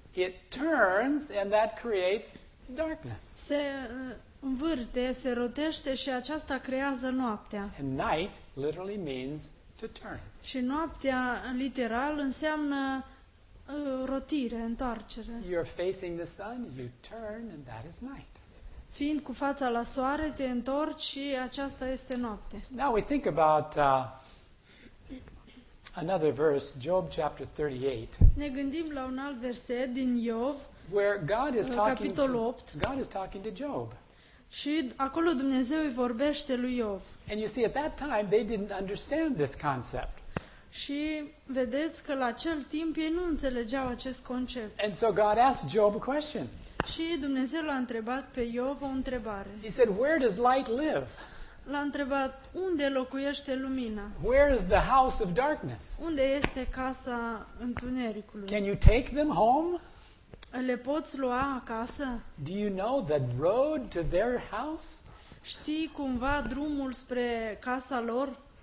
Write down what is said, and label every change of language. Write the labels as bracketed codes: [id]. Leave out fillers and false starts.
[en] It turns and that creates darkness. [ro] Se învârte, se rotește și aceasta creează noaptea. [en] And night literally means to turn. [ro] Și noaptea literal înseamnă rotire, întoarcere. [en] You're facing the sun, you turn and that is night. [ro] Fiind cu fața la soare, te întorci și aceasta este noapte. [en] Now we think about another verse, Job chapter 38. [ro] Ne gândim la un alt verset din Iov. [en] Where God is talking to, 8, God is talking to Job. [ro] Și acolo Dumnezeu îi vorbește lui Iov. [en] And you see at that time they didn't understand this concept. [ro] Și vedeți că la acel timp ei nu înțelegeau acest concept. [en] And so God asked Job a question. [ro] Și Dumnezeu l-a întrebat pe Iov o întrebare. [en] He said, "Where does light live?" [ro] L-a întrebat, unde locuiește lumina? [en] Where is the house of darkness? [ro] Unde este casa întunericului? [en] Can you take them home? [ro] Le poți lua acasă? [en] Do you know the road to their house? [ro] Știi cumva drumul spre casa lor?